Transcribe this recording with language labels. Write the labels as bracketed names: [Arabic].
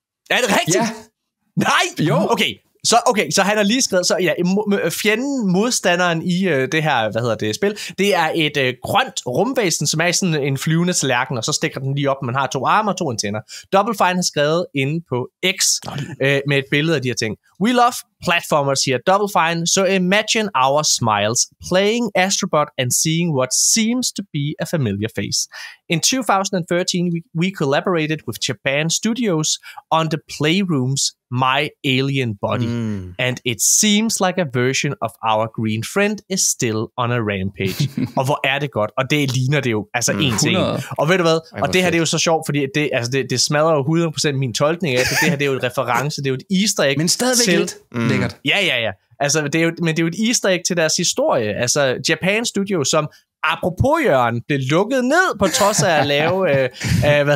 [Danish] Er det rigtigt? Ja. Nej! Jo! Okay, så han har lige skrevet, så ja, fjenden, modstanderen i det her, hvad hedder det, spil, det er et grønt rumvæsen, som er sådan en flyvende tallerken, og så stikker den lige op, man har to arme og to antenner. Double Fine har skrevet inde på X med et billede af de her ting. [English] We love platformers here, Double Fine, so imagine our smiles, playing Astrobot and seeing what seems to be a familiar face. In 2013, we collaborated with Japan Studios on the Playrooms My Alien Body, and it seems like a version of our green friend is still on a rampage. [Danish] Og hvor er det godt, og det ligner det jo, altså en ting. Og ved du hvad, og det her, det er jo så sjovt, fordi det, altså det smadrer jo 100% min tolkning af det. Det her, det er jo et reference, det er jo et easter egg. Men stadigvæk til... lidt lækkert. Ja. Altså, det er jo, men det er jo et easter egg til deres historie. Altså, Japan Studio, som apropos Jørgen, blev lukket ned på trods af at lave, hvad hedder